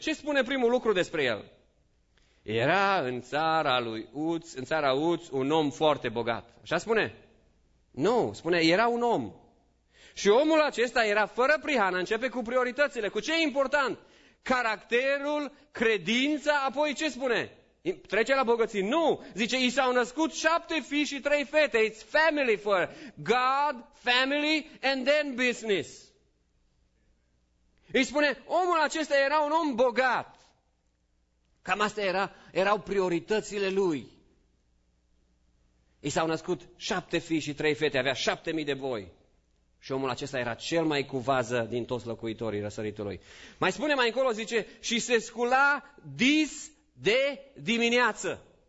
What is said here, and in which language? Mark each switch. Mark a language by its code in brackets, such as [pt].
[ro] Ce spune primul lucru despre el? Era în țara lui Uț, în țara Uț, un om foarte bogat. Așa spune? Nu, spune, era un om. Și omul acesta era fără prihană, începe cu prioritățile. Cu ce e important? Caracterul, credința, apoi ce spune? Trece la bogății. Nu, zice, i s-au născut 7 fii și 3 fete. [en] It's family for God, family and then business. [ro] Îi spune, omul acesta era un om bogat. Cam astea erau prioritățile lui. I s-au născut 7 fii și 3 fete, avea 7000 de boi. Și omul acesta era cel mai cuvază din toți locuitorii răsăritului. Mai spune mai încolo, zice, și se scula dis de dimineață.